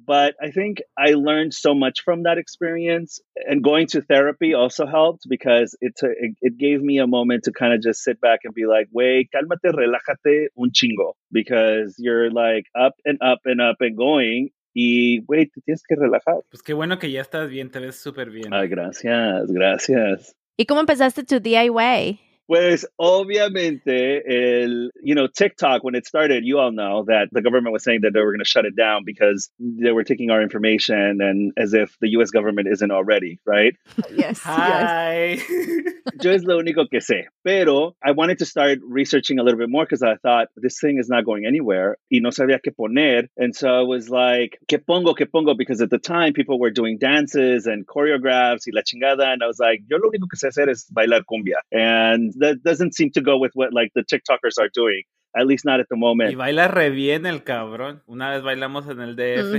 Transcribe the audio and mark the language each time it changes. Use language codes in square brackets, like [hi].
[en] But I think I learned so much from that experience. And going to therapy also helped because it gave me a moment to kind of just sit back and be like, [es] wey, cálmate, relájate un chingo, [en] because you're like up and up and up and going, [es] y wey, te tienes que relajar. Pues qué bueno que ya estás bien, te ves súper bien. Ay, gracias, gracias. ¿Y cómo empezaste tu DIY? Pues, obviamente, [en] TikTok, when it started, you all know that the government was saying that they were going to shut it down because they were taking our information, and as if the U.S. government isn't already, right? Yes. Hi. [es] Yo es lo único que sé. [en] Pero I wanted to start researching a little bit more because I thought this thing is not going anywhere. [es] Y no sabía qué poner. [en] And so I was like, [es] qué pongo? [en] Because at the time, people were doing dances and choreographs [es] y la chingada. [en] And I was like, [es] yo lo único que sé hacer es bailar cumbia. [en] And that doesn't seem to go with what like the TikTokers are doing, at least not at the moment. [es] Y baila re bien el cabrón. Una vez bailamos en el DF.